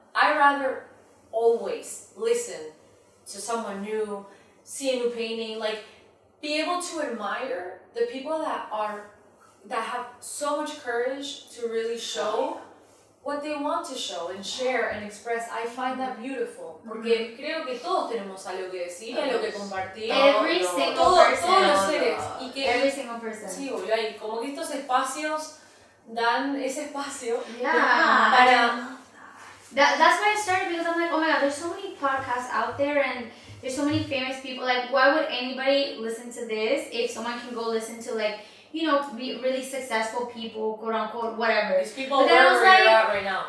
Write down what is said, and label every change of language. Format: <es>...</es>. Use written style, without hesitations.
<en>I'd rather always listen to someone new, see a new painting, like, be able to admire the people that are, that have so much courage to really show what they want to show and share and express. I find that beautiful.</en> <es>Porque creo que todos tenemos algo que decir y algo que compartir.</es> <en>Every single person.</en> <es>Todos los seres. Y que</es> <en>every single person.</en> <es>Sí, oye, y como que estos espacios dan ese espacio para...</es> <en>That's why I started, because I'm like, oh my god, there's so many podcasts out there and there's so many famous people. Like, why would anybody listen to this if someone can go listen to, like, you know, be really successful people, quote unquote, whatever. These people are where like, you're at right now.</en>